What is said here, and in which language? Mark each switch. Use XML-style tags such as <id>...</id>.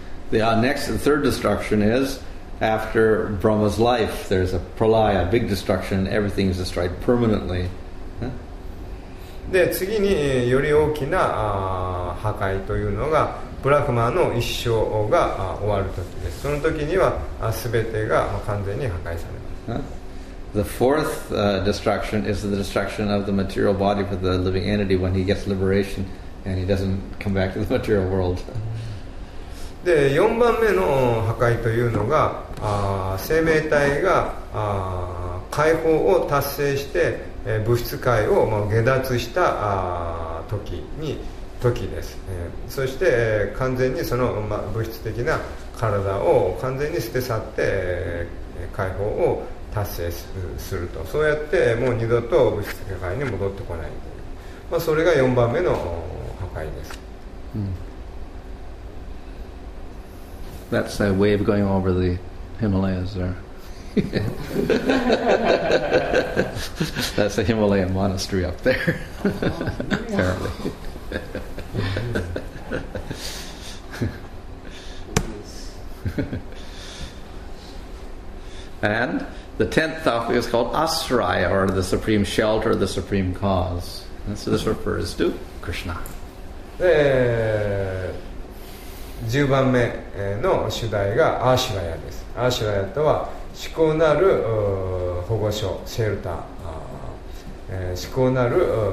<en>The next, the third destruction is after Brahma's life. There's a pralaya, a big destruction. Everything is destroyed permanently.</en> <ja>で次により大きな破壊というのがブラフマの一生が終わる時です。その時には全てが完全に破壊されます。</ja> <en>The fourth destruction is the destruction of the material body for the living entity when he gets liberation and he doesn't come back to the material world.</en> <ja>で、4番目の破壊というのが、生命体が解放を達成して、物質界を、まあ、下脱した時です。そして、完全にその、まあ、物質的な体を完全に捨て去って、解放を達成すると、そうやってもう二度と物質世界に戻ってこないという、まあ、それが4番目の破壊です、</ja> <en>うん、That's a wave going over the Himalayas there. That's a Himalayan monastery up there. Apparently. And the tenth topic is called Asraya, or the supreme shelter, the supreme cause. And so this refers to Krishna.</en> <ja>で、十番目の主題がアシュラヤです。アシュラヤとは至高なる保護所、シェルター、至高なる</ja>